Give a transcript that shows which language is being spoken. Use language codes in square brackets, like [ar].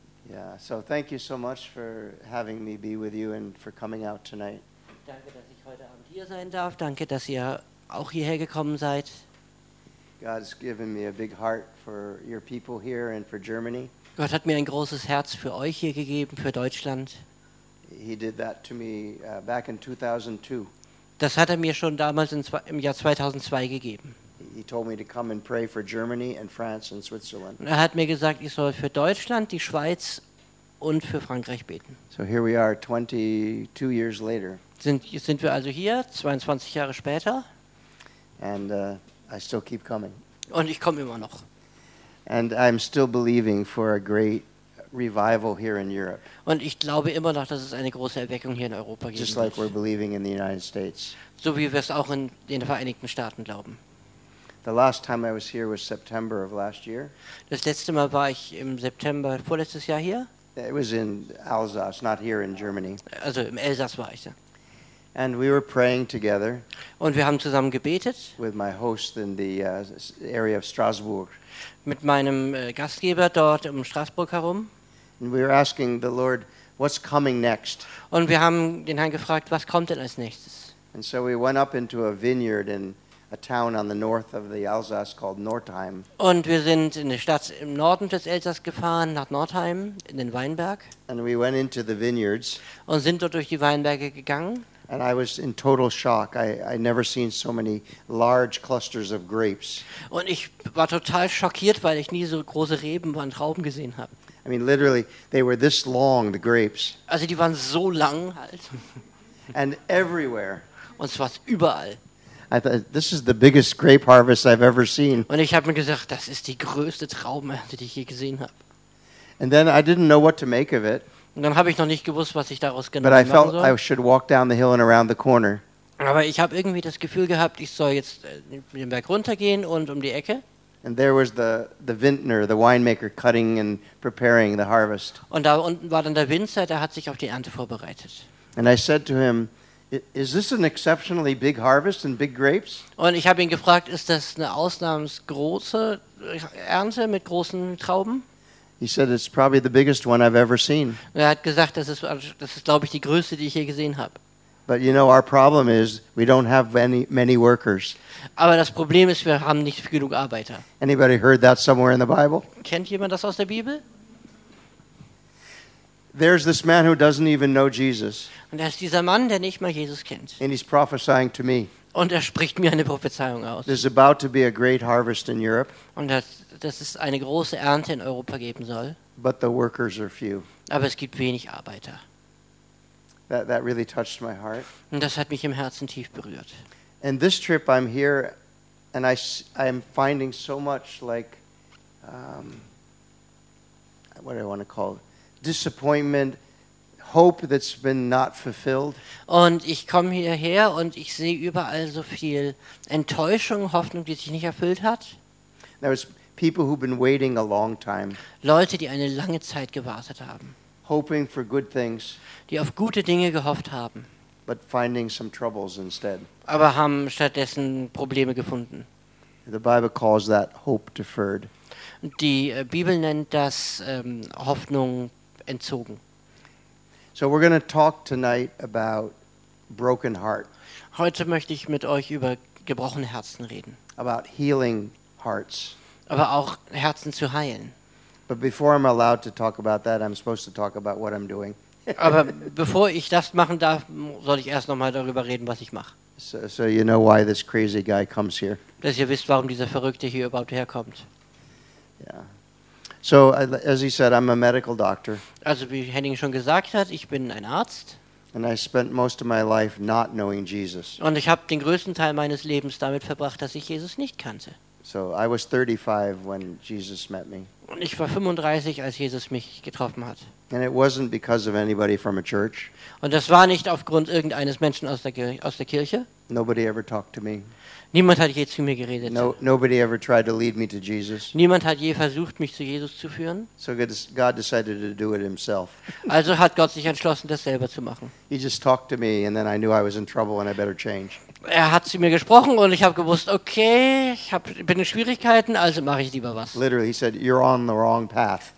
[en] Yeah, so thank you so much for having me be with you and for coming out tonight. [de] Danke, dass ich heute Abend hier sein darf. Danke, dass ihr auch hierher gekommen seid. [en] God's given me a big heart for your people here and for Germany. [de] Gott hat mir ein großes Herz für euch hier gegeben, für Deutschland. [en] He did that to me back in 2002. [de] Das hat er mir schon damals im Jahr 2002 gegeben. [en] He told me to come and pray for Germany and France and Switzerland. [de] Er hat mir gesagt, ich soll für Deutschland, die Schweiz und für Frankreich beten. [en] So here we are 22 years later. [de] Sind wir also hier 22 Jahre später? [en] And I still keep coming. [de] Und ich komme immer noch. [en] And I'm still believing for a great revival here in Europe. [de] Und ich glaube immer noch, dass es eine große Erweckung hier in Europa geben wird. [en] Just like we're believing in the United States. [de] So wie wir es auch in den Vereinigten Staaten glauben. [en] The last time I was here was September of last year. [de] Das letzte Mal war ich im September vorletztes Jahr hier. [en] It was in Alsace, not here in Germany. [de] Also im Elsass war ich da. [en] And we were praying together. [de] Und wir haben zusammen gebetet. [en] With my host in the area of Strasbourg. [de] Mit meinem Gastgeber dort um Straßburg herum. [en] And we were asking the Lord, what's coming next? [de] Und wir haben den Herrn gefragt, was kommt denn als nächstes? [en] And so we went up into a vineyard in a town on the north of the Alsace called Northeim. [de] Und wir sind in eine Stadt im Norden des Elsass gefahren, nach Northeim, in den Weinberg. [en] And we went into the vineyards. [de] Und sind dort durch die Weinberge gegangen. [en] And I was in total shock. I'd never seen so many large clusters of grapes. [de] Und ich war total schockiert, weil ich nie so große Reben und Trauben gesehen habe. [en] I mean, literally, they were this long, the grapes. [de] Also die waren so lang halt. [en] And everywhere. [de] Und zwar überall. [en] I thought, this is the biggest grape harvest I've ever seen. [de] Und ich habe mir gesagt, das ist die größte Traubenernte, die ich je gesehen habe. [en] And then I didn't know what to make of it. [de] Und dann habe ich noch nicht gewusst, was ich daraus genau machen soll. [en] But I felt I should walk down the hill and around the corner. [de] Aber ich habe irgendwie das Gefühl gehabt, ich soll jetzt den Berg runtergehen und um die Ecke. [en] And there was the vintner, the winemaker, cutting and preparing the harvest. [de] Und da unten war dann der Winzer, der hat sich auf die Ernte vorbereitet. [en] And I said to him, is this an exceptionally big harvest and big grapes? [de] Und ich habe ihn gefragt, ist das eine ausnahmsgroße Ernte mit großen Trauben? [en] He said it's probably the biggest one I've ever seen. [de] Er hat gesagt, das ist glaube ich die größte, die ich je gesehen habe. [en] But you know our problem is we don't have many workers. [de] Aber das Problem ist, wir haben nicht genug Arbeiter. [en] Anybody heard that somewhere in the Bible? [de] Kennt jemand das aus der Bibel? [en] There's this man who doesn't even know Jesus. [de] Und da ist dieser Mann, der nicht mal Jesus kennt. [en] And he's prophesying to me. [de] Und er spricht mir eine Prophezeiung aus. [en] There's about to be a great harvest in Europe. [de] Und dass es eine große Ernte in Europa geben soll. [en] But the workers are few. [de] Aber es gibt wenig Arbeiter. [en] That really touched my heart. [de] Und das hat mich im Herzen tief berührt. [en] And this trip I'm here and I'm finding so much like what do I want to call it? Disappointment, hope that's been not fulfilled. [de] Und ich komme hierher und ich sehe überall so viel Enttäuschung, Hoffnung, die sich nicht erfüllt hat. [en] There's people who've been waiting a long time. [de] Leute, die eine lange Zeit gewartet haben. [en] Hoping for good things, [de] die auf gute Dinge gehofft haben, [en] but finding some troubles instead. [de] Aber haben stattdessen Probleme gefunden. [en] The Bible calls that hope deferred. [de] Die Bibel nennt das Hoffnung entzogen. [en] So we're going to talk tonight about broken heart. [de] Heute möchte ich mit euch über gebrochene Herzen reden. [en] About healing hearts. [de] Aber auch Herzen zu heilen. [en] But before I'm allowed to talk about that, I'm supposed to talk about what I'm doing. [de] Aber bevor ich das machen darf, soll ich erst noch mal darüber reden, was ich mache. [en] So you know why this crazy guy comes here. [de] Dass ihr wisst, warum dieser Verrückte hier überhaupt herkommt. Yeah. [en] So as he said, I'm a medical doctor. [de] Also wie Henning schon gesagt hat, ich bin ein Arzt. [en] And I spent most of my life not knowing Jesus. [de] Und ich habe den größten Teil meines Lebens damit verbracht, dass ich Jesus nicht kannte. [en] So I was 35 when Jesus met me. [de] Und ich war 35, als Jesus mich getroffen hat. [en] And it wasn't because of anybody from a church. [de] Und das war nicht aufgrund irgendeines Menschen aus der Kirche. [en] Nobody ever talked to me. [de] Niemand hat je zu mir geredet. [en] No, nobody ever tried to lead me to Jesus. [de] Niemand hat je versucht, mich zu Jesus zu führen. [en] So God decided to do it himself. [de] Also hat Gott sich entschlossen, das selber zu machen. [en] He just talked to me, and then I knew I was in trouble, and I better change. [de] Er hat zu mir gesprochen, und ich habe gewusst, okay, bin in Schwierigkeiten, also mache ich lieber was. [en] Literally, he said, "You're on the wrong path."